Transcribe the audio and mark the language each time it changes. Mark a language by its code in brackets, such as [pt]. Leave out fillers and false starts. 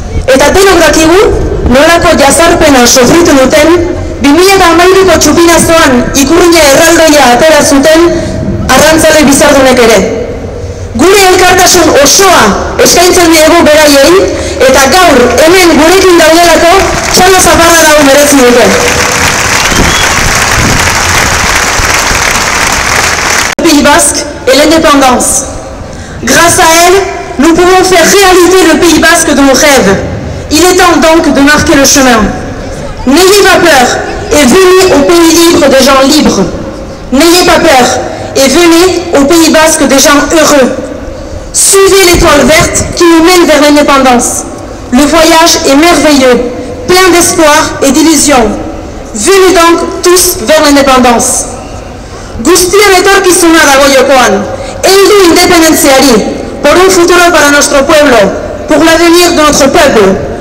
[eu] Eta denok dakigu, nolako jazarpena sofritu duten, 2010-eko txupinazoan ikurrina erraldoia ateratzen arrantzale bizardunek ere. Gure elkartasun osoa eskaintzen diegu beraiei, eta gaur hemen gurekin daudelako txalo zaparra dago merezi dute. [fr] Basque et l'indépendance. Grâce à elle, nous pouvons faire réaliser le Pays Basque de nos rêves. Il est temps donc de marquer le chemin. N'ayez pas peur et venez au pays libre des gens libres. N'ayez pas peur et venez au Pays Basque des gens heureux. Suivez l'étoile verte qui nous mène vers l'indépendance. Le voyage est merveilleux, plein d'espoir et d'illusions. Venez donc tous vers l'indépendance. [eu] Guztien etorkizuna dago jokoan, heldu independentziari, [es] por un futuro para nuestro pueblo, [eu] por la venir de nuestro pueblo.